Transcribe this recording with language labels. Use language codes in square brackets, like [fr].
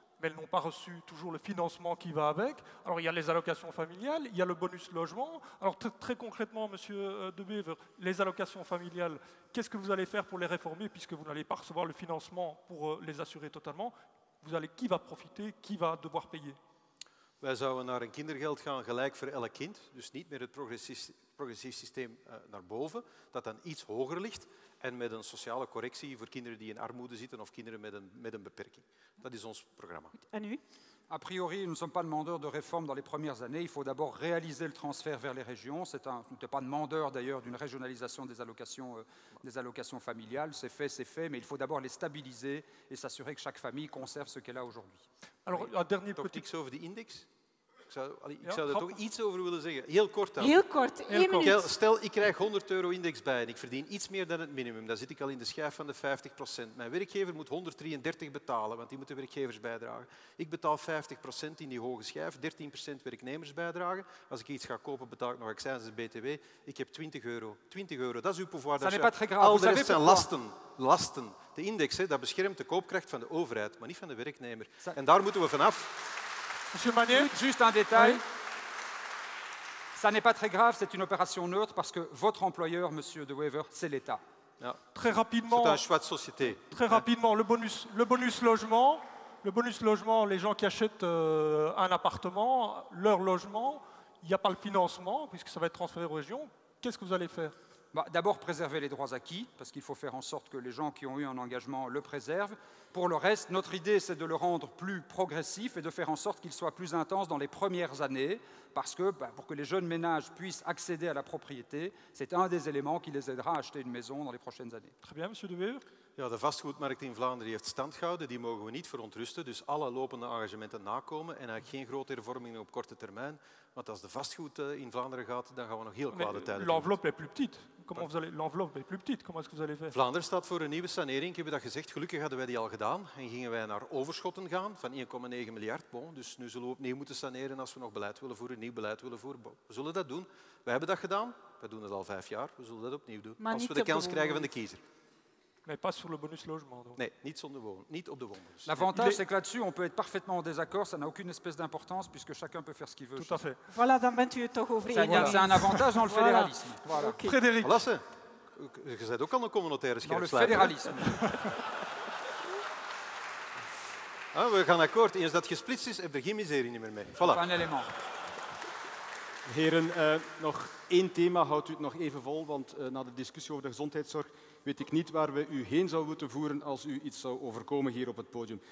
[fr] mais elles n'ont pas reçu toujours le financement qui va avec. Alors, il y a les allocations familiales, il y a le bonus logement. Alors, très concrètement, monsieur De Bever, les allocations familiales, qu'est-ce que vous allez faire pour les réformer, puisque vous n'allez pas recevoir le financement pour les assurer totalement? Vous allez, qui va profiter, qui va devoir payer? [nl] Wij zouden naar een kindergeld gaan, gelijk voor elk kind, dus niet meer het progressief systeem naar boven, dat dan iets hoger ligt, en met een sociale correctie voor kinderen die in armoede zitten of kinderen met een beperking. Dat is ons programma. En u? [fr] A priori, nous ne sommes pas demandeurs de réforme dans les premières années. Il faut d'abord réaliser le transfert vers les régions. Nous n'étions pas demandeurs, d'ailleurs, d'une régionalisation des allocations familiales. C'est fait, mais il faut d'abord les stabiliser et s'assurer que chaque famille conserve ce qu'elle a aujourd'hui. Alors, un dernier petit... [nl] Toch iets over de index? Ik zou er toch iets over willen zeggen. Heel kort dan. Heel kort, één minuut. Stel, ik krijg 100 euro index bij en ik verdien iets meer dan het minimum. Dan zit ik al in de schijf van de 50%. Mijn werkgever moet 133 betalen, want die moet de werkgevers bijdragen. Ik betaal 50% in die hoge schijf, 13% werknemers bijdragen. Als ik iets ga kopen, betaal ik nog accijns en BTW. Ik heb 20 euro. 20 euro, dat is uw pouvoir [fr] d'achat. [nl] Al de rest zijn lasten. Lasten. De index, hè, dat beschermt de koopkracht van de overheid, maar niet van de werknemer. En daar moeten we vanaf. [fr] Monsieur Manier, juste un détail. Oui. Ça n'est pas très grave, c'est une opération neutre parce que votre employeur, monsieur De Wever, c'est l'État. Yeah. Très rapidement. C'est un choix de société. Très rapidement, le bonus logement, les gens qui achètent un appartement, leur logement, il n'y a pas le financement puisque ça va être transféré aux régions. Qu'est-ce que vous allez faire? D'abord, préserver les droits acquis, parce qu'il faut faire en sorte que les gens qui ont eu un engagement le préservent. Pour le reste, notre idée, c'est de le rendre plus progressif et de faire en sorte qu'il soit plus intense dans les premières années, parce que pour que les jeunes ménages puissent accéder à la propriété, c'est un des éléments qui les aidera à acheter une maison dans les prochaines années. Très bien, monsieur De Weer. [nl] Ja, de vastgoedmarkt in Vlaanderen heeft stand gehouden, die mogen we niet verontrusten. Dus alle lopende engagementen nakomen en eigenlijk geen grote hervormingen op korte termijn. Want als de vastgoed in Vlaanderen gaat, dan gaan we nog heel kwade tijden doen. L'enveloppe est plus petite, comment est-ce que vous allez faire? Vlaanderen staat voor een nieuwe sanering, ik heb dat gezegd. Gelukkig hadden wij die al gedaan en gingen wij naar overschotten gaan van 1,9 miljard. Bon, dus nu zullen we opnieuw moeten saneren als we nog beleid willen voeren, nieuw beleid willen voeren. Bon, we zullen dat doen. We hebben dat gedaan, we doen het al 5 jaar, we zullen dat opnieuw doen. Maar als we de kans krijgen van de kiezer. [fr] Mais pas sur le bonus logement. Donc. [nl] Nee, niet zonder woon, niet op de woonbonus. [fr] L'avantage, c'est que là-dessus, on peut être parfaitement en désaccord, ça n'a aucune espèce d'importance, puisque chacun peut faire ce qu'il veut. Tout à fait. [nl] Voilà, dan bent u toch over. [fr] C'est un avantage dans le fédéralisme. Voilà. Okay. Frédéric. Voilà, c'est. Je sais [nl] ook al een communautaire schermen. [fr] Dans le fédéralisme. [nl] Ah, we gaan akkoord. Eens dat gesplitst is, heb je geen miserie niet meer mee. [fr] Voilà. Un élément. [nl] Heren, nog één thema, houdt u het nog even vol, want na de discussie over de gezondheidszorg weet ik niet waar we u heen zouden moeten voeren als u iets zou overkomen hier op het podium.